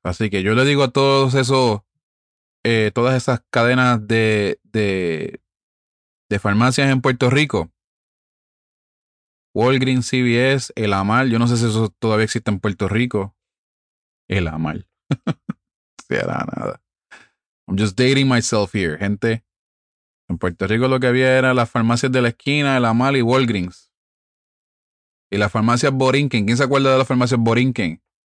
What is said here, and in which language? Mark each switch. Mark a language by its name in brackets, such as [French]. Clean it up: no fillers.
[Spanish] Así que yo le digo a todos esos, todas esas cadenas de farmacias en Puerto Rico, Walgreens, CVS, El Amal, yo no sé si eso todavía existe en Puerto Rico. El Amal. Se hará nada. [English] I'm just dating myself here, gente. [Spanish] En Puerto Rico lo que había era las farmacias de la esquina, El Amal y Walgreens. Y las farmacias Borinquen. ¿Quién se acuerda de las farmacias Borinquen?